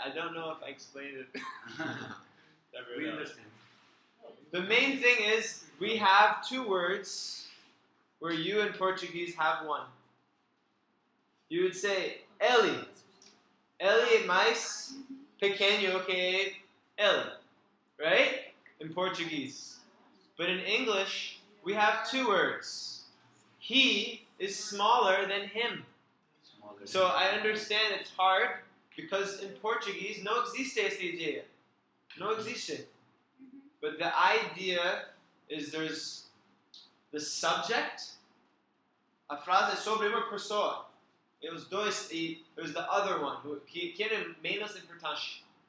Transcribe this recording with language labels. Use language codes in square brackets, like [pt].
[en] I don't know if I explained it. We understand. The main thing is we have two words where you in Portuguese have one. You would say Ele. [pt] Ele é mais pequeno que ele. [en] Right? In Portuguese. But in English, we have two words. He is smaller than him. So I understand it's hard. Because in Portuguese, [pt] não existe essa ideia. Não existe. [en] But the idea is there's the subject. [pt] A frase é sobre uma pessoa. E os dois, [en] there's the other one. [pt] Quem é menos importante?